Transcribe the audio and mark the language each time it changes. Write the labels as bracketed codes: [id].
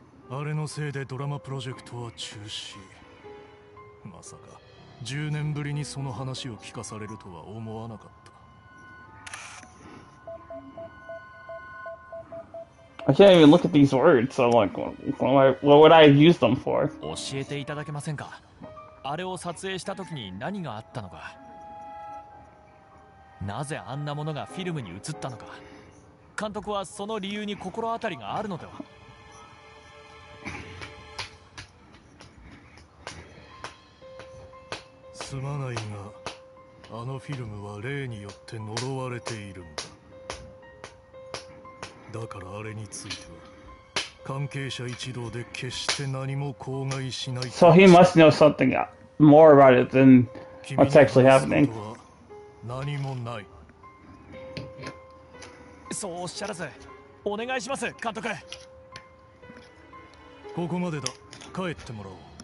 [ja] あれのせいでドラマプロジェクトは中止。まさか10年ぶりにその話を聞かされるとは思わなかった。 [en] I can't even look at these words, so I'm like, what would I use them for? [ja] 教えていただけませんか？あれを撮影した時に何があったのか？なぜあんなものがフィルムに映ったのか？監督はその理由に心当たりがあるのでは？すまないが、あのフィルムは霊によって呪われているんだ。だからあれについては関係者一同で決して何も口外しない。 [en] So he must know something more about it than what's actually happening. [ja] 君の話すことは何もない。そうおっしゃらず、お願いします監督。ここまでだ、帰ってもらおう。